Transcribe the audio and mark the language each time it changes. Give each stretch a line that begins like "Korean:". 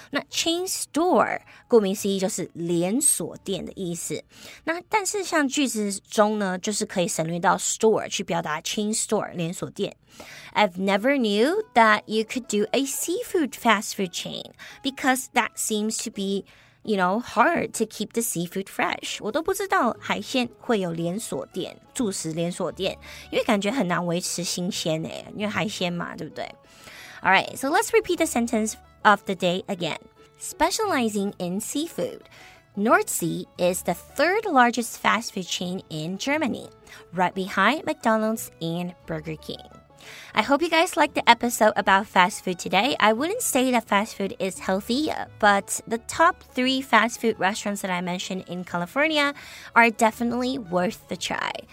Chinese: 那 chain store, 顾名思义就是连锁店的意思。那但是像句子中呢，就是可以省略到 store 去表达 chain store, 连锁店。
English: I've never knew that you could do a seafood fast food chain because that seems to be you know, hard to keep the seafood fresh.
Chinese: 我都不知道海鲜会有连锁店，住食连锁店，因为感觉很难维持新鲜耶，因为海鲜嘛，对不对？
English: All right, so let's repeat the sentence of the day again. Specializing in seafood, Nordsee is the third largest fast food chain in Germany, right behind McDonald's and Burger King. I hope you guys liked the episode about fast food today. I wouldn't say that fast food is healthy, but the top three fast food restaurants that I mentioned in California are definitely worth the try.